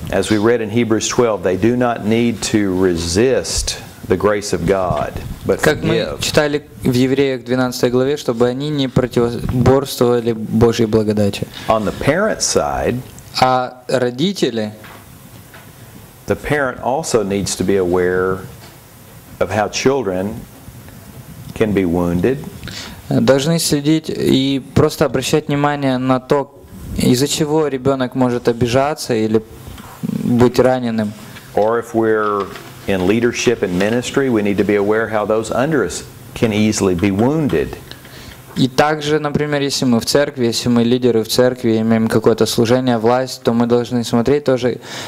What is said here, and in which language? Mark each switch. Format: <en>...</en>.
<en>As we read in Hebrews 12, they do not need to resist the grace of God, but</en> <ru>как мы читали в Евреях 12 главе, чтобы они не противоборствовали Божьей благодати.</ru> <en>On the parent's side,</en> <ru>а родители,</ru> <en>the parent also needs to be aware of how children can be wounded.</en> <ru>Должны следить и просто обращать внимание на то, из-за чего ребенок может обижаться или быть раненым.</ru> <en>Or if we're in leadership and ministry, we need to be aware how those under us can easily be wounded.</en> <ru>И также, например, если мы в церкви, если мы лидеры в церкви, имеем какое-то служение, власть, то мы должны смотреть тоже,</ru>